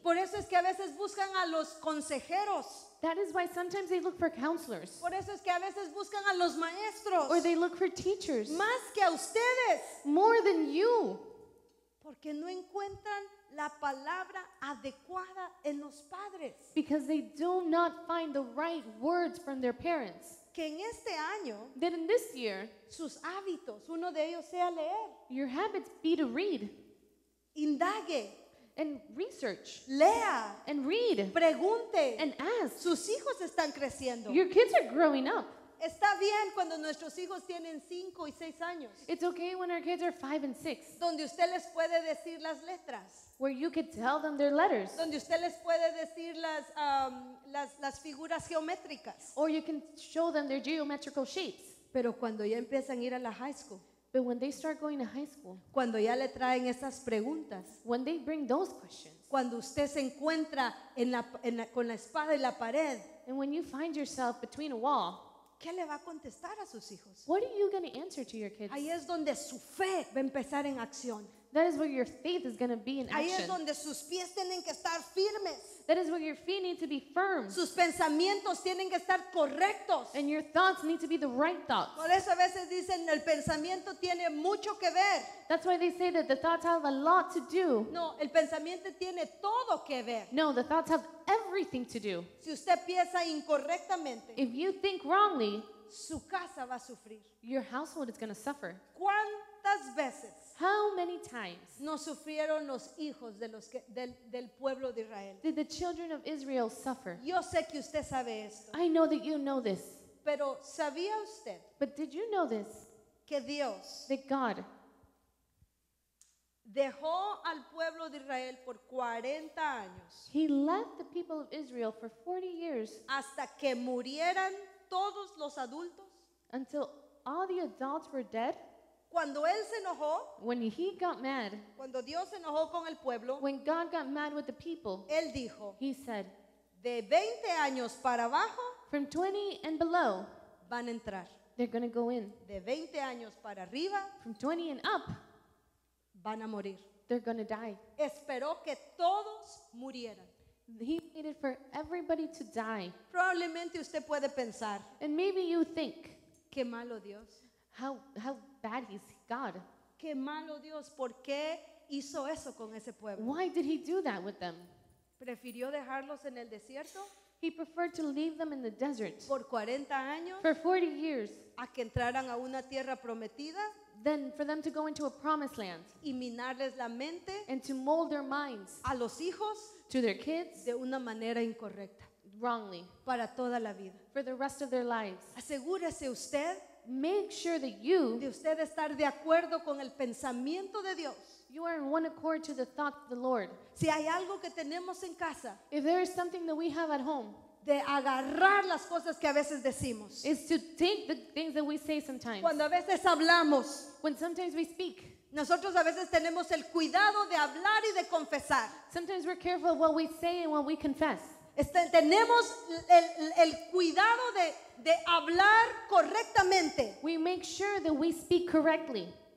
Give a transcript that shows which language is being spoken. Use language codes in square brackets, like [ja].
[es] Por eso es que a veces buscan a los consejeros. [en] That is why sometimes they look for counselors. [es] Por eso es que a veces buscan a los maestros. [en] Or they look for teachers. [es] Más que a ustedes. [en] More than you. [es] Porque no encuentran la palabra adecuada en los padres. [en] Because they do not find the right words from their parents. [es] Que en este año, [en] that in this year, [es] sus hábitos, uno de ellos sea leer. [en] Your habits be to read. [es] Indague. [en] And research. [es] Lea. [en] And read. [es] Pregunte. [en] And ask. [es] Sus hijos están creciendo. [en] Your kids are growing up. [es] Está bien cuando nuestros hijos tienen 5 y 6 años. [en] It's okay when our kids are 5 and 6. [es] Donde usted les puede decir las letras. [en] Where you could tell them their letters. [es] Donde usted les puede decir las figuras geométricas. [en] Or you can show them their geometrical shapes. [es] Pero cuando ya empiezan a ir a la high school. [en] But when they start going to high school. [es] Cuando ya le traen esas preguntas. [en] When they bring those questions. [es] Cuando usted se encuentra con la espada y la pared. [en] And when you find yourself between a wall. [es] ¿Qué le va a contestar a sus hijos? [en] What are you going to answer to your kids? [es] Ahí es donde su fe va a empezar en acción. [en] That is where your faith is going to be in action. [es] Ahí es donde sus pies tienen que estar firmes. [en] That is where your feet need to be firm. [es] Sus pensamientos tienen que estar correctos. [en] And your thoughts need to be the right thoughts. [es] Por eso a veces dicen el pensamiento tiene mucho que ver. [en] That's why they say that the thoughts have a lot to do. [es] No, el pensamiento tiene todo que ver. [en] No, the thoughts have everything to do. [es] Si usted piensa incorrectamente. [en] If you think wrongly. [es] su casa va a sufrir. [en] Your household is going to suffer. [es] ¿Cuántas veces? [en] How many times? [es] No sufrieron los hijos de los que, del pueblo de Israel. [en] Did the children of Israel suffer? [es] Yo sé que usted sabe esto. [en] I know that you know this. [es] Pero ¿sabía usted? [en] But did you know this? [es] Que Dios, [en] that God, [es] dejó al pueblo de Israel por 40 años. [en] He left the people of Israel for 40 years. [es] Hasta que murieran todos los adultos. [en] Until all the adults were dead. [es] Cuando él se enojó, [en] when he got mad, [es] cuando Dios se enojó con el pueblo, [en] when God got mad with the people, [es] él dijo, [en] he said, [es] de 20 años para abajo, [en] from 20 and below, [es] van a entrar. [en] They're going to go in. [es] De 20 años para arriba, [en] from 20 and up, [es] van a morir. [en] They're going to die. [es] Esperó que todos murieran. [en] He waited for everybody to die. [es] Probablemente usted puede pensar, [en] and maybe you think, [es] qué malo Dios. [en] How bad is God? [es] Qué malo Dios, ¿por qué hizo eso con ese pueblo? [en] Why did he do that with them? [es] ¿Prefirió dejarlos en el desierto? [en] He preferred to leave them in the desert. [es] ¿Por 40 años? [en] For 40 years. [es] ¿A que entraran a una tierra prometida? [en] Then for them to go into a promised land. [es] ¿Y minarles la mente? [en] And to mold their minds. [es] ¿A los hijos? [en] To their kids. [es] De una manera incorrecta. [en] Wrongly. [es] Para toda la vida. [en] For the rest of their lives. [es] Asegúrese usted. [en] Make sure that you, [es] de usted estar de acuerdo con el pensamiento de Dios. [en] You are in one accord to the thought of the Lord. [es] Si hay algo que tenemos en casa, [en] if there is something that we have at home, [es] de agarrar las cosas que a veces decimos, [en] is to take the things that we say sometimes. [es] Cuando a veces hablamos, [en] when sometimes we speak, [es] nosotros a veces tenemos el cuidado de hablar y de confesar. [en] Sometimes we're careful of what we say and what we confess. [es] Tenemos el cuidado de hablar correctamente. [en] We make sure that we speak correctly.